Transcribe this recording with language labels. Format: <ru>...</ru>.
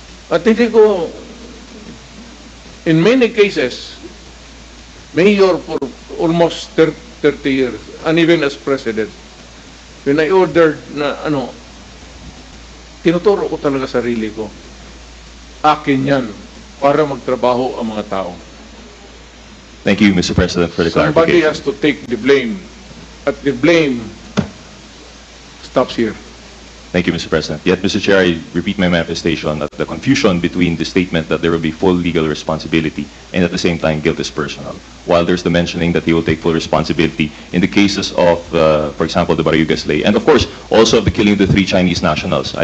<tl>At hindi ko,</tl> <en>in many cases, mayor for almost 30 years, and even as president, when I ordered</en> <tl>na ano, tinuturo ko talaga sarili ko, akin yan. para magtrabaho ang mga tao.</tl> <en>Thank you, Mr. President, for the Somebody clarification. Somebody has to take the blame. At the blame stops here. Thank you, Mr. President. Yet, Mr. Chair, I repeat my manifestation that the confusion between the statement that there will be full legal responsibility and at the same time guilt is personal. While there's the mentioning that he will take full responsibility in the cases of, for example, the Barayugas Lay, and of course, also the killing of the three Chinese nationals.</en>